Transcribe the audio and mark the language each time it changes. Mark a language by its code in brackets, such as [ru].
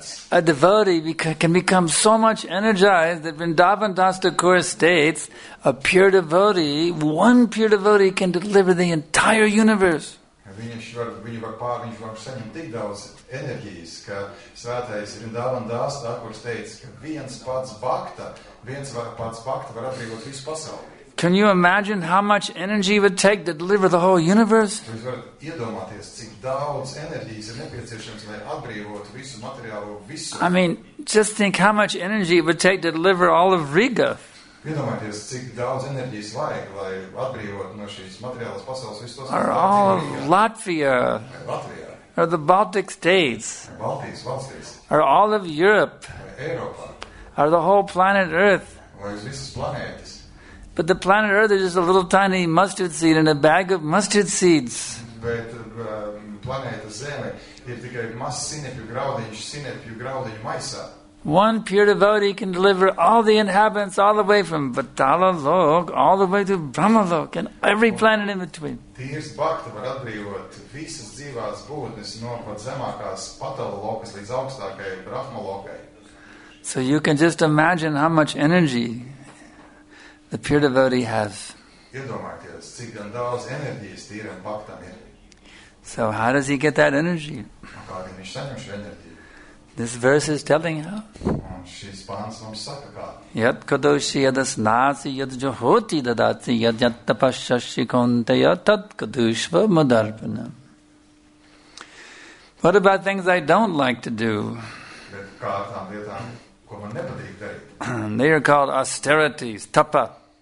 [en] A devotee can become so much energized that Vrindavan Das Thakur states, a pure devotee, one pure devotee can deliver the entire universe. [lv] Viņš var pārviņš var saņemt tik daudz enerģijas, ka svētais Rindavan Das Thakur teica, ka viens pats bakta var atbrīvot visu pasauli. [en] Can you imagine how much energy it would take to deliver the whole universe? [lv] Jūs varat iedomāties, cik daudz enerģijas ir nepieciešams, lai atbrīvotu visu materiālo, visu. [en] I mean, just think how much energy it would take to deliver all of Riga. [lv] Iedomājieties, cik daudz enerģijas vajag, lai atbrīvotu no šīs materiālas pasaules visu to. [en] Or all of Latvia. [lv] Latvija. [en] Or the Baltic states. [lv] Baltijas valstis. [en] Or all of Europe. [lv] Eiropa. [en] Or the whole planet Earth. [lv] Vai visas planētas. [en] But the planet Earth is just a little tiny mustard seed in a bag of mustard seeds. [lv] Bet planēta Zeme ir tikai mazs sinepju graudiņu maisā. [en] One pure devotee can deliver all the inhabitants all the way from Vatala Lok all the way to Brahma Lok and every planet in between. [lv] Tīrs bakta var atbrīvot visas dzīvās būtnes no pat zemākās Patala Lokas līdz augstākajai Brahma Lokai. [en] So you can just imagine how much energy the pure devotee has. [lv] Iedomājieties, cik gan daudz enerģijas tīram baktam ir. [en] So how does he get that energy? [lv] Kā gan viņš saņem šo enerģiju? [en] This verse is telling how. [lv] Šis pāns mums saka kā. [sa] Yat kadoshi yadas nāsi yad johoti dadāci yad yad tapashashi kontaya tad kadushva madarpana. [en] What about things I don't like to do? [lv] Bet kā tām vietām, ko man nepatīk darīt? [en] They are called austerities, tapa.